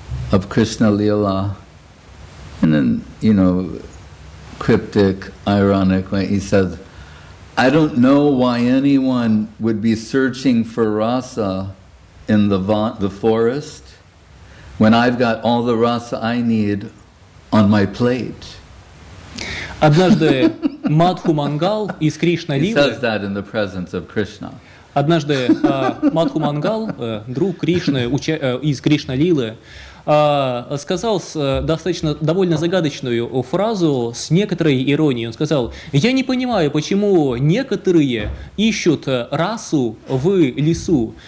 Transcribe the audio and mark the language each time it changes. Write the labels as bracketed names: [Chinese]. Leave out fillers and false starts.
[English] of Krishna Leela, in a, you know, cryptic, ironic way, he says, I don't know why anyone would be searching for rasa in the forest when I've got all the rasa I need on my plate. [Russian] Однажды Мадху Мангал из Кришна-лилы. [English] He says that in the presence of Krishna. [Russian] Однажды Мадху Мангал, друг Кришны из Кришна-лилы, сказал довольно загадочную фразу с некоторой иронией. Он сказал: «Я не понимаю, почему некоторые ищут расу в лесу.